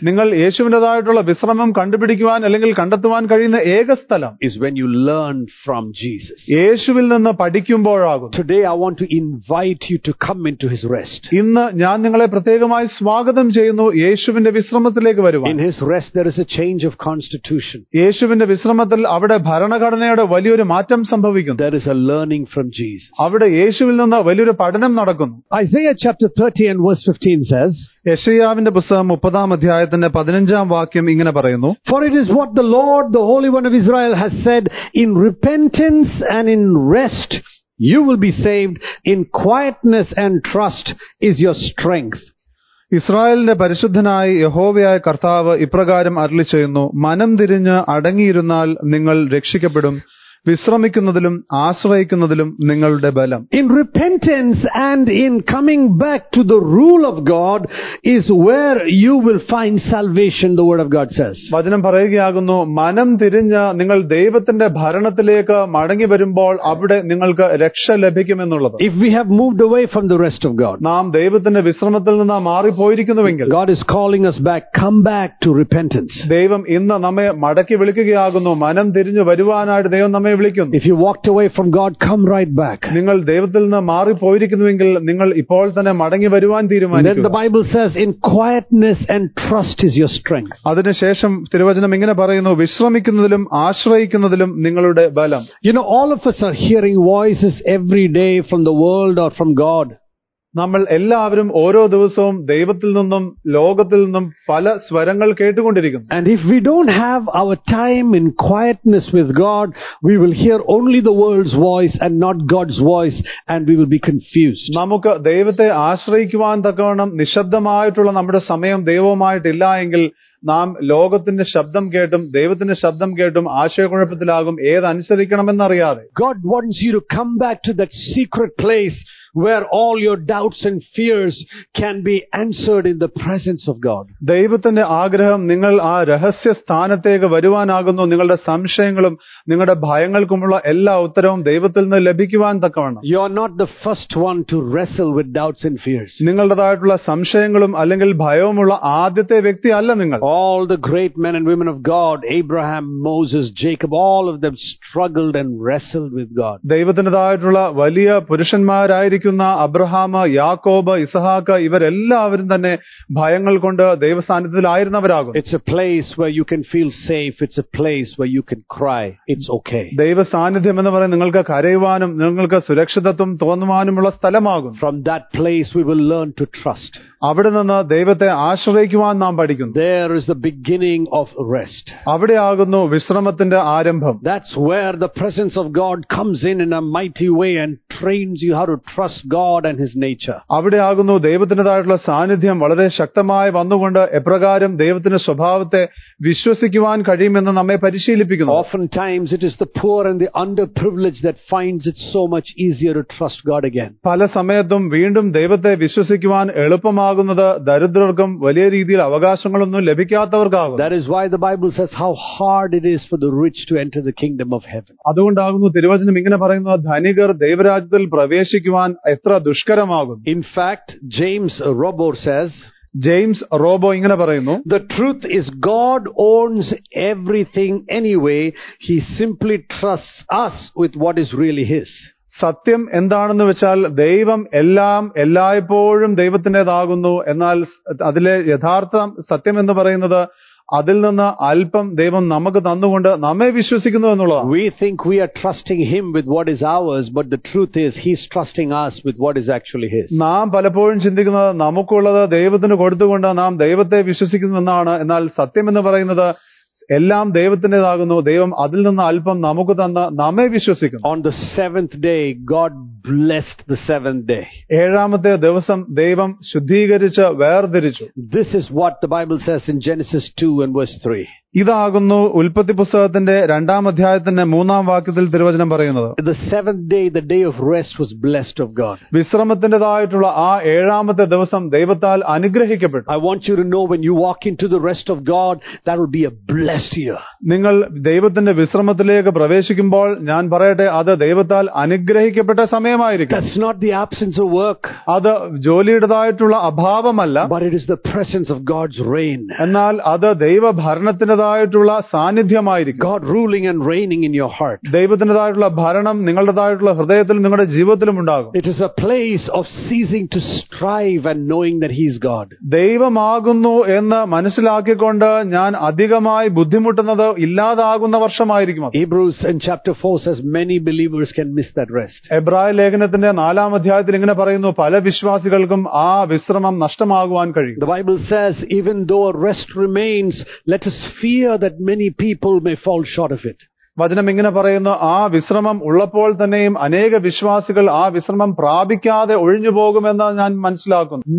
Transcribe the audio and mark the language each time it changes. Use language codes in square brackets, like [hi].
[ml] നിങ്ങൾ യേശുവിൻ്റെതായിട്ടുള്ള വിശ്രമം കണ്ടുപിടിക്കുവാൻ അല്ലെങ്കിൽ കണ്ടെത്തുവാൻ കഴിയുന്ന ഏക സ്ഥലം [en] is when you learn from Jesus. [ml] യേശുവിൽ നിന്ന് പഠിക്കുമ്പോഴാകും. [en] Today I want to invite you to come into his rest. [ml] ഇന്ന് ഞാൻ നിങ്ങളെ പ്രത്യേകമായി സ്വാഗതം ചെയ്യുന്നു യേശുവിന്റെ വിശ്രമത്തിലേക്ക് വരുവാൻ. [en] In his rest there is a change of constitution. [ml] യേശുവിന്റെ വിശ്രമത്തിൽ അവിടെ ഭരണഘടനയുടെ വലിയൊരു മാറ്റം സംഭവിക്കുന്നു. [en] There is a learning from Jesus. [ml] അവിടെ യേശുവിൽ നിന്ന് വലിയൊരു പഠനം നടക്കുന്നു. [en] Isaiah chapter 30 and verse 15 says, [ml] യെശയ്യാവിന്റെ പുസ്തകം 30 അധ്യായത്തിന്റെ 15 വാക്യം ഇങ്ങനെ പറയുന്നു. [en] For it is what the Lord, the Holy One of Israel has said, in repentance and in rest you will be saved, in quietness and trust is your strength. [ml] ഇസ്രായേലിന്റെ പരിശുദ്ധനായ യഹോവയായ കർത്താവ് ഇപ്രകാരം അരുളി ചെയ്യുന്നു, മനം തിരിഞ്ഞ് അടങ്ങിയിരുന്നാൽ നിങ്ങൾ രക്ഷിക്കപ്പെടും, വിശ്രമിക്കുന്നതിലും ആശ്രയിക്കുന്നതിലും നിങ്ങളുടെ ബലം. [en] In repentance and in coming back to the rule of God is where you will find salvation, the word of God says. [ml] വചനം പറയുകയാകുന്നു, മനം തിരിഞ്ഞ് നിങ്ങൾ ദൈവത്തിന്റെ ഭരണത്തിലേക്ക് മടങ്ങി വരുമ്പോൾ അവിടെ നിങ്ങൾക്ക് രക്ഷ ലഭിക്കുമെന്നുള്ളത്. [en] if we have moved away from the rest of God, [ml] നാം ദൈവത്തിന്റെ വിശ്രമത്തിൽ നിന്ന് മാറിപ്പോയിരിക്കുന്നുവെങ്കിൽ, [en] God is calling us back, come back to repentance. [ml] ദൈവം ഇന്ന് നമ്മെ മടക്കി വിളിക്കുകയാകുന്നു, മനം തിരിഞ്ഞ് വരുവാനായിട്ട് ദൈവം. [en] If you walked away from God, come right back. [ml] നിങ്ങൾ ദൈവത്തിൽ നിന്ന് മാറി പോയിരിക്കുന്നുവെങ്കിൽ നിങ്ങൾ ഇപ്പോൾ തന്നെ മടങ്ങി വരുവാൻ തീരുമാനിക്കുക. [en] The Bible says in quietness and trust is your strength. [ml] അതിനുശേഷം തിരുവചനം ഇങ്ങനെ പറയുന്നു, വിശ്രമിക്കുന്നതിലും ആശ്രയിക്കുന്നതിലും നിങ്ങളുടെ ബലം. [en] You know, all of us are hearing voices every day from the world or from God. [ml] നമ്മൾ എല്ലാവരും ഓരോ ദിവസവും ദൈവത്തിൽ നിന്നും ലോകത്തിൽ നിന്നും പല സ്വരങ്ങൾ കേട്ടുകൊണ്ടിരിക്കുന്നു. [en] And if we don't have our time in quietness with God, we will hear only the world's voice and not God's voice, and we will be confused. [ml] നമുക്ക് ദൈവത്തെ ആശ്രയിക്കുവാൻ തക്കവണ്ണം നിശബ്ദമായിട്ടുള്ള നമ്മുടെ സമയം ദൈവവുമായിട്ടില്ലെങ്കിൽ നാം ലോകത്തിന്റെ ശബ്ദം കേട്ടും ദൈവത്തിന്റെ ശബ്ദം കേട്ടും ആശയക്കുഴപ്പത്തിലാകും, ഏതനുസരിക്കണമെന്നറിയാതെ. [en] God wants you to come back to that secret place where all your doubts and fears can be answered in the presence of God. [ml] ദൈവത്തിന്റെ ആഗ്രഹം നിങ്ങൾ ആ രഹസ്യ സ്ഥാനത്തേക്ക് വരുവാനാകുന്നു, നിങ്ങളുടെ സംശയങ്ങളും നിങ്ങളുടെ ഭയങ്ങൾക്കുമുള്ള എല്ലാ ഉത്തരവും ദൈവത്തിൽ നിന്ന് ലഭിക്കുവാൻ തക്കവണ്ണം. [en] You are not the first one to wrestle with doubts and fears. [ml] നിങ്ങളുടേതായിട്ടുള്ള സംശയങ്ങളും അല്ലെങ്കിൽ ഭയവുമുള്ള ആദ്യത്തെ വ്യക്തിയല്ല നിങ്ങൾ. [en] All the great men and women of God, Abraham, Moses, Jacob, all of them struggled and wrestled with God. [ml] ദൈവത്തിന്റേതായിട്ടുള്ള വലിയ പുരുഷന്മാരായ Abraham, യാക്കോബ്, ഇസഹാക്ക് ഇവരെല്ലാവരും തന്നെ ഭയങ്ങൾ കൊണ്ട് ദൈവസാന്നിധ്യത്തിലായിരുന്നവരാകും. [en] It's a place where you can feel safe. It's a place where you can cry. It's okay. [ml] ദൈവസാന്നിധ്യം എന്ന് പറയുന്നത് നിങ്ങൾക്ക് കരയുവാനും നിങ്ങൾക്ക് സുരക്ഷിതത്വം തോന്നുവാനുമുള്ള സ്ഥലമാകും. [en] From that place we will learn to trust. [ml] അവിടെ നിന്ന് ദൈവത്തെ ആശ്രയിക്കുവാൻ നാം പഠിക്കുന്നു. [en] There is the beginning of rest. [ml] അവിടെയാകുന്നു വിശ്രമത്തിന്റെ ആരംഭം. [en] That's where the presence of God comes in a mighty way and trains you how to trust God and his nature. [ml] അവിടെ ആകുന്നു ദൈവത്തിന്റേതായിട്ടുള്ള സാന്നിധ്യം വളരെ ശക്തമായി വന്നുകൊണ്ട് എപ്രകാരം ദൈവത്തിന്റെ സ്വഭാവത്തെ വിശ്വസിക്കുവാൻ കഴിയുമെന്ന് നമ്മെ പരിശീലിപ്പിക്കുന്നു. [en] Often times it is the poor and the underprivileged that finds it so much easier to trust God again. [ml] പല സമയത്തും വീണ്ടും ദൈവത്തെ വിശ്വസിക്കുവാൻ എളുപ്പമാകുന്നത് ദരിദ്രർക്കും വലിയ രീതിയിൽ അവകാശങ്ങളൊന്നും ലഭിക്കാത്തവർക്കാകും. [en] That is why the Bible says how hard it is for the rich to enter the kingdom of heaven. [ml] അതുകൊണ്ടാകുന്നു തിരുവചനം ഇങ്ങനെ പറയുന്നത്, ധനികർ ദൈവരാജ്യത്തിൽ പ്രവേശിക്കുവാൻ എത്ര ദുഷ്കരമാകും. [en] in fact James Robo says, [ml] James robo ഇങ്ങനെ പറയുന്നു, [en] The truth is God owns everything anyway, he simply trust us with what is really his. [ml] സത്യം എന്താണെന്ന് വെച്ചാൽ ദൈവം എല്ലാം എല്ലായ്പ്പോഴും ദൈവത്തിന്റേതാകുന്നു, എന്നാൽ അതിലെ യഥാർത്ഥ സത്യം എന്ന് പറയുന്നത് അതിൽ നിന്ന് അല്പം ദൈവം നമുക്ക് തന്നുകൊണ്ട് നമ്മെ വിശ്വസിക്കുന്നു എന്നുള്ളതാണ്. [en] We think we are trusting him with what is ours, but the truth is he's trusting us with what is actually his. [ml] നാം പലപ്പോഴും ചിന്തിക്കുന്നത് നമുക്കുള്ളത് ദൈവത്തിന് കൊടുത്തുകൊണ്ട് നാം ദൈവത്തെ വിശ്വസിക്കുന്നു എന്നാണ്, എന്നാൽ സത്യം എന്ന് പറയുന്നത് എല്ലാം ദൈവത്തിന്റേതാകുന്നു, ദൈവം അതിൽ നിന്ന് അല്പം നമുക്ക് തന്ന് നമ്മെ വിശ്വസിക്കുന്നു. [en] On the seventh day, God blessed the seventh day. [ml] ഏഴാമത്തെ ദിവസം ദൈവം ശുദ്ധീകരിച്ച് വേർതിരിച്ചു. [en] This is what the Bible says in Genesis 2 and verse 3. [ml] ഇതാകുന്നു ഉൽപ്പത്തി പുസ്തകത്തിന്റെ രണ്ടാം അധ്യായത്തിന്റെ മൂന്നാം വാക്യത്തിൽ തിരുവചനം പറയുന്നത്. [en] The seventh day, the day of rest, was blessed of God. [ml] വിശ്രമത്തിന്റേതായിട്ടുള്ള ആ ഏഴാമത്തെ ദിവസം ദൈവത്താൽ അനുഗ്രഹിക്കപ്പെട്ടു. [en] I want you to know when you walk into the rest of God, that will be a blessed year. [ml] നിങ്ങൾ ദൈവത്തിന്റെ വിശ്രമത്തിലേക്ക് പ്രവേശിക്കുമ്പോൾ ഞാൻ പറയട്ടെ, അത് ദൈവത്താൽ അനുഗ്രഹിക്കപ്പെട്ട സമയം. സമയമായിരിക്കും. [en] That's not the absence of work. [ml] അത് ജോലിയുടേതായിട്ടുള്ള അഭാവമല്ല. [en] But it is the presence of God's reign. [ml] എന്നാൽ അത് ദൈവഭരണത്തിന്റേതായിട്ടുള്ള സാന്നിധ്യമായിരിക്കും. [en] God ruling and reigning in your heart. [ml] ദൈവത്തിന്റേതായിട്ടുള്ള ഭരണം നിങ്ങളുടേതായിട്ടുള്ള ഹൃദയത്തിലും നിങ്ങളുടെ ജീവിതത്തിലും ഉണ്ടാകും. [en] It is a place of ceasing to strive and knowing that he is God. [ml] ദൈവമാകുന്നു എന്ന് മനസ്സിലാക്കിക്കൊണ്ട് ഞാൻ അധികമായി ബുദ്ധിമുട്ടുന്നത് ഇല്ലാതാകുന്ന വർഷമായിരിക്കും. [en] Hebrews in chapter 4 says many believers can miss that rest. [ml] എബ്രായ ലേഖനത്തിന്റെ നാലാം അധ്യായത്തിൽ ഇങ്ങനെ പറയുന്നു, പല വിശ്വാസികൾക്കും ആ വിശ്രമം നഷ്ടമാകുവാൻ കഴിയും. [en] The Bible says even though a rest remains, let us fear that many people may fall short of it. [ml] വചനം ഇങ്ങനെ പറയുന്നു, ആ വിശ്രമം ഉള്ളപ്പോൾ തന്നെയും അനേക വിശ്വാസികൾ ആ വിശ്രമം പ്രാപിക്കാതെ ഒഴിഞ്ഞു പോകുമെന്ന് ഞാൻ മനസ്സിലാക്കുന്നു.